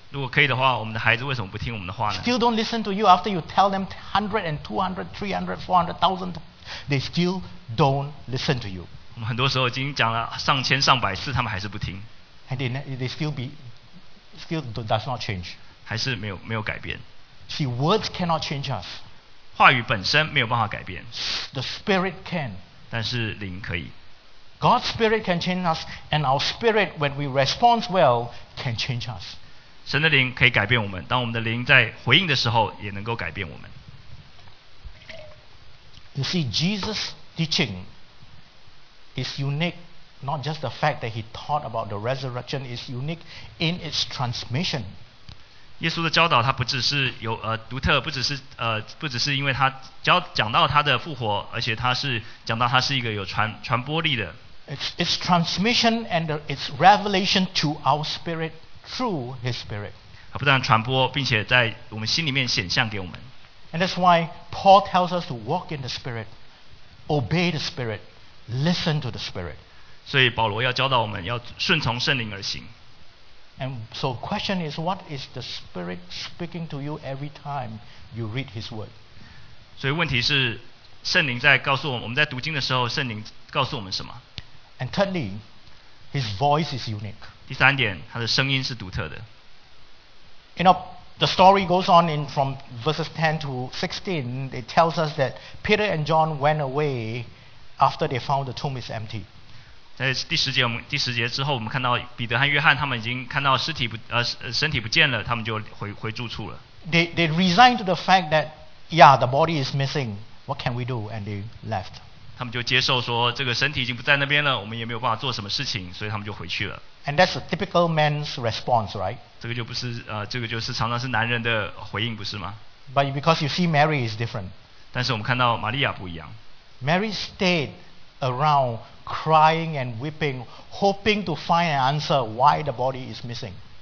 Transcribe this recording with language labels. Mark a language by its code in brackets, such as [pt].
[zh] 如果可以的话，我们的孩子为什么不听我们的话呢？ [en] Still don't listen to you after you tell them 100 and 200, 300, 400, 1,000, they still don't listen to you. [zh] 我们很多时候已经讲了上千上百次，他们还是不听。 [en] And they still does not change. [zh] 还是没有改变。 [en] See, words cannot change us. [zh] 话语本身没有办法改变。 [en] The spirit can. [zh] 但是灵可以。 [en] God's Spirit can change us, and our spirit, when we respond well, can change us. [zh] 神的灵可以改变我们，当我们的灵在回应的时候，也能够改变我们。 [en] You see, Jesus' teaching is unique, not just the fact that he taught about the resurrection is unique in its transmission. [zh] 耶稣的教导，他不只是有独特，不只是因为他讲到他的复活，而且他是讲到他是一个有传播力的。 [en] It's transmission and its revelation to our spirit through His Spirit. [zh] 他不但传播，并且在我们心里面显像给我们。 [en] And that's why Paul tells us to walk in the Spirit, obey the Spirit, listen to the Spirit. [zh] 所以保罗要教导我们要顺从圣灵而行。 [en] And so question is, what is the Spirit speaking to you every time you read His Word? [zh] 所以问题是，圣灵在告诉我们，我们在读经的时候，圣灵告诉我们什么？ [en] And thirdly, His voice is unique. [zh] 第三点，他的声音是独特的。 [en] You know, The story goes on in from verses 10 to 16. It tells us that Peter and John went away after they found the tomb is empty. [zh] 在第十节之后，我们看到彼得和约翰他们已经看到身体不见了，他们就回住处了。 [en] They resigned to the fact that, yeah, the body is missing. What can we do? And they left. [zh] 他们就接受说，这个身体已经不在那边了，我们也没有办法做什么事情，所以他们就回去了。 [en] And that's a typical man's response, right? [zh] 这个就不是，这个就是常常是男人的回应，不是吗？ [en] But because you see, Mary is different. [zh] 但是我们看到玛利亚不一样。 [en] Mary stayed around crying and weeping, hoping to find an answer why the body is missing.